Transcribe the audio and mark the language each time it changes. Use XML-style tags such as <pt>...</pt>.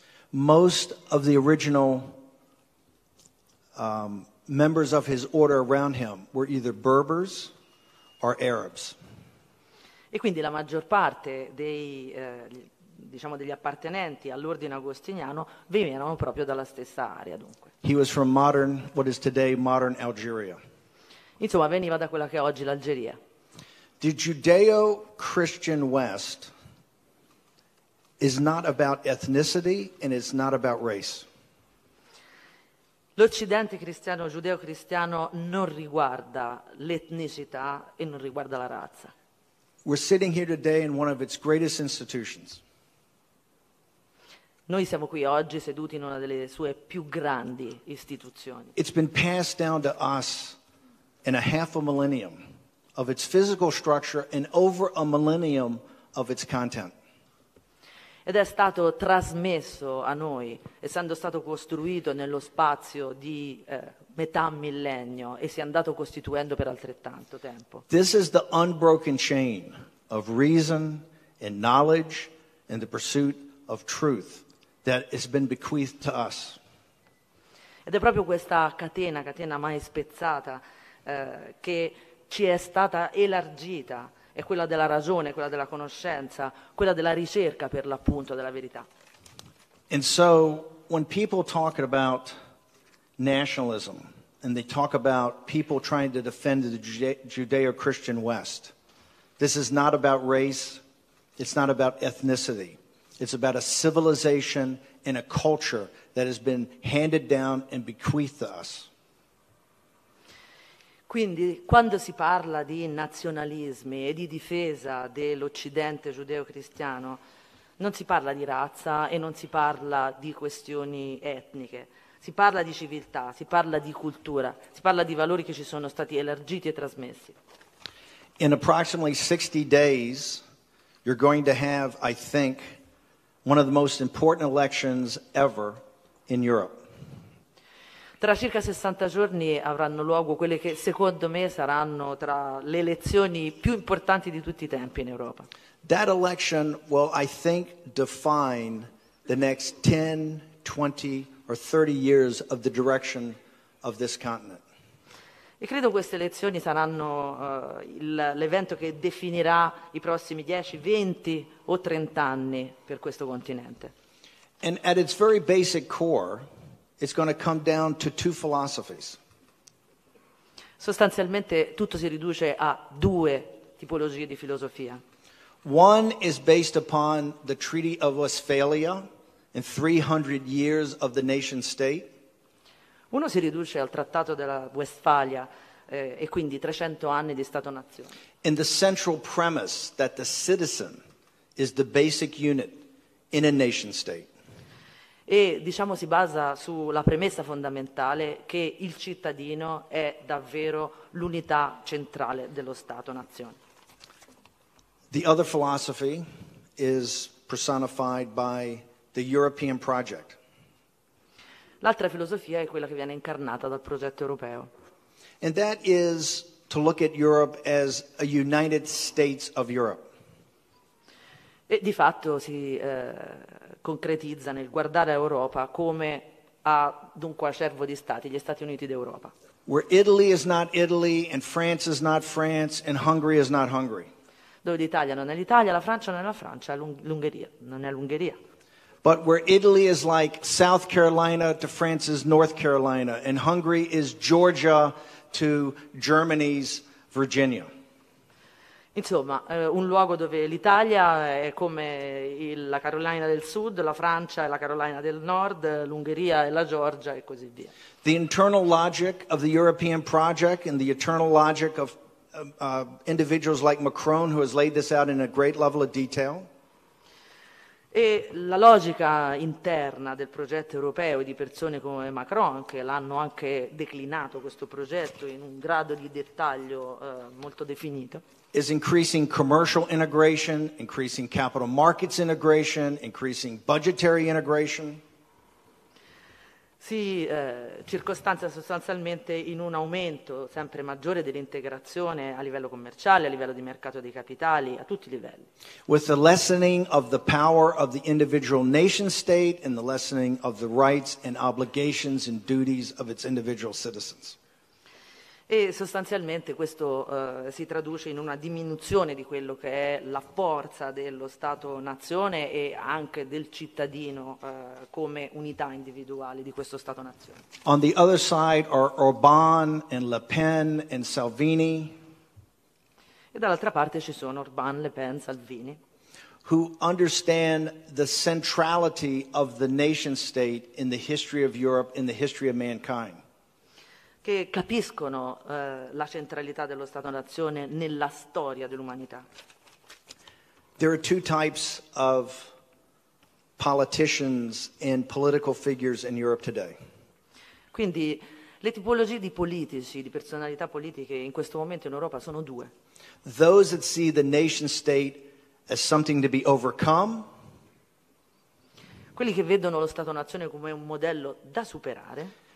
<en>Most of the original members of his order around him were either Berbers or Arabs.</en> <it>E quindi la maggior parte dei diciamo degli appartenenti all'ordine agostiniano venivano proprio dalla stessa area, dunque.</it> <en>He was from modern, what is today modern Algeria.</en> <it>Insomma, veniva da quella che è oggi l'Algeria.</it> <en>The Judeo-Christian West is not about ethnicity and it's not about race.</en> <it>L'Occidente cristiano giudeo-cristiano non riguarda l'etnicità e non riguarda la razza.</it> <en>We're sitting here today in one of its greatest institutions.</en> <it>Noi siamo qui oggi seduti in una delle sue più grandi istituzioni.</it> <en>It's been passed down to us in a half a millennium of its physical structure and over a millennium of its content.</en> <it>Ed è stato trasmesso a noi, essendo stato costruito nello spazio di metà millennio e si è andato costituendo per altrettanto tempo.</it> <en>This is the unbroken chain of reason and knowledge and the pursuit of truth that has been bequeathed to us.</en> <it>Ed è proprio questa catena mai spezzata, che ci è stata elargita. È quella della ragione, quella della conoscenza, quella della ricerca per l'appunto della verità.</it> <en>And so when people talk about nationalism and they talk about people trying to defend the Judeo-Christian West, this is not about race, it's not about ethnicity. It's about a civilization and a culture that has been handed down and bequeathed to us.</en> <it>Quindi, quando si parla di nazionalismi e di difesa dell'Occidente giudeo-cristiano, non si parla di razza e non si parla di questioni etniche. Si parla di civiltà, si parla di cultura, si parla di valori che ci sono stati elargiti e trasmessi.</it> <en>In approximately 60 days, you're going to have, I think, one of the most important elections ever in Europe.</en> <it>Tra circa 60 giorni avranno luogo quelle che, secondo me, saranno tra le elezioni più importanti di tutti i tempi in Europa.</it> <en>That election will, I think, define the next 10, 20 or 30 years of the direction of this continent.</en> <it>E credo queste elezioni saranno l'evento che definirà i prossimi 10, 20 o 30 anni per questo continente.</it> <en>And at its very basic core, it's going to come down to two philosophies.</en> <it>Sostanzialmente tutto si riduce a due tipologie di filosofia.</it> <en>One is based upon the Treaty of Westphalia and 300 years of the nation state.</en> <it>Uno si riduce al Trattato della Westfalia e quindi 300 anni di Stato-Nazione.</it> <en>In the central premise that the citizen is the basic unit in a nation state.</en> <it>E diciamo si basa sulla premessa fondamentale che il cittadino è davvero l'unità centrale dello Stato-Nazione.</it> <en>The other philosophy is personified by the European project.</en> <it>L'altra filosofia è quella che viene incarnata dal progetto europeo.</it> <en>And that is to look at Europe as a United States of Europe.</en> <it>E di fatto si concretizza nel guardare Europa come ad un coacervo di stati, gli Stati Uniti d'Europa.</it> <en>Where Italy is not Italy and France is not France and Hungary is not Hungary.</en> <it>Dove l'Italia non è l'Italia, la Francia non è la Francia, l'Ungheria non è l'Ungheria.</it> <en>But where Italy is like South Carolina to France's North Carolina, and Hungary is Georgia to Germany's Virginia.</en> <it>Insomma, un luogo dove l'Italia è come la Carolina del Sud, la Francia è la Carolina del Nord, l'Ungheria è la Georgia e così via.</it> <en>The internal logic of the European project and the eternal logic of individuals like Macron, who has laid this out in a great level of detail.</en> <it>E la logica interna del progetto europeo e di persone come Macron, che l'hanno anche declinato questo progetto in un grado di dettaglio molto definito,</it> <en>is increasing commercial integration, increasing capital markets integration, increasing budgetary integration.</en> <it>Si circostanzia sostanzialmente in un aumento sempre maggiore dell'integrazione a livello commerciale, a livello di mercato dei capitali, a tutti i livelli.</it> <en>With the lessening of the power of the individual nation state and the lessening of the rights and obligations and duties of its individual citizens.</en> <it>E sostanzialmente questo si traduce in una diminuzione di quello che è la forza dello Stato-Nazione e anche del cittadino come unità individuale di questo Stato-Nazione.</it> <en>On the other side are Orbán and Le Pen and Salvini.</en> <it>E dall'altra parte ci sono Orbán, Le Pen, Salvini.</it> <en>Who understand the centrality of the nation-state in the history of Europe, in the history of mankind.</en> <it>Che capiscono la centralità dello Stato-Nazione nella storia dell'umanità.</it> <en>There are two types of politicians and political figures in Europe today.</en> <it>Quindi le tipologie di politici, di personalità politiche in questo momento in Europa sono due.</it> <en>Those that see the nation-state as something to be overcome.</en> <it>Quelli che vedono lo Stato-Nazione come un modello da superare.</it>